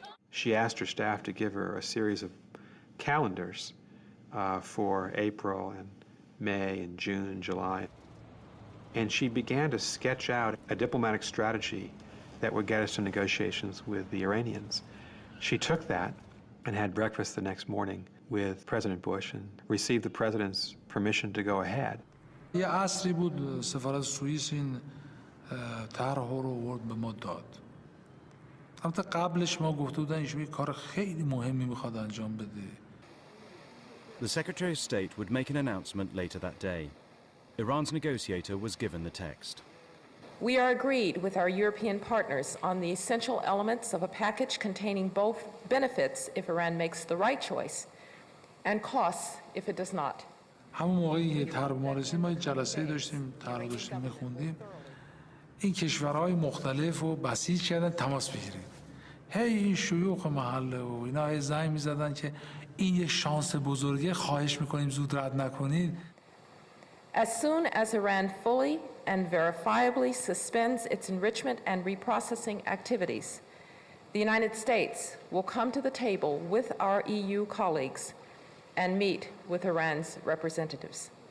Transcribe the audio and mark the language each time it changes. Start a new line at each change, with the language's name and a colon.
English: She asked her staff to give her a series of calendars for April and May and June and July. And she began to sketch out a diplomatic strategy that would get us to negotiations with the Iranians. She took that and had breakfast the next morning with President Bush and received the president's permission to go ahead.
Persian: یه عصری بود سفارت سوئیس این طرح رو ورد به ما داد. البته قبلش ما گفته بودن ایشون یه کار خیلی مهمی میخواد انجام بده.
English: The Secretary of State would make an announcement later that day. Iran's negotiator was given the text. We are agreed with our European partners on the essential elements of a package containing both benefits if Iran makes the right choice and costs if it does not.
Persian: همون موقعی یه طرح ما رسید، ما یه جلسه داشتیم، طرح داشتیم، میخوندیم. این کشورهای مختلف رو بسیج کردن تماس بگیرید. هی این شیوخ محله و اینا هی زنگ میزدن که این یه شانس بزرگه، خواهش میکنیم زود رد نکنید.
English: As soon as Iran fully and verifiably suspends its enrichment and reprocessing activities, the United States will come to the table with our EU colleagues and meet with Iran's representatives.